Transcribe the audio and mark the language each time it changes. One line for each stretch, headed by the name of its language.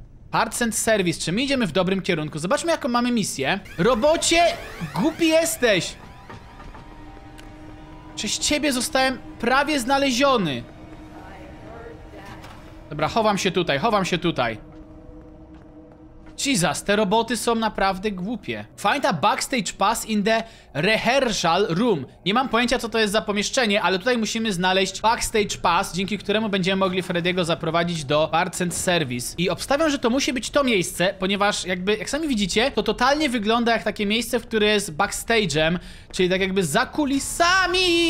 Polish: Parts and Service, czy my idziemy w dobrym kierunku? Zobaczmy, jaką mamy misję. Robocie, głupi jesteś! Przez ciebie zostałem prawie znaleziony. Dobra, chowam się tutaj, chowam się tutaj. Jesus, te roboty są naprawdę głupie.
English: Find a backstage pass in the rehearsal room.
Polish: Nie mam pojęcia, co to jest za pomieszczenie, ale tutaj musimy znaleźć backstage pass, dzięki któremu będziemy mogli Freddy'ego zaprowadzić do parts and service. I obstawiam, że to musi być to miejsce, ponieważ jakby, jak sami widzicie, to totalnie wygląda jak takie miejsce, w które jest backstage'em, czyli tak jakby za kulisami.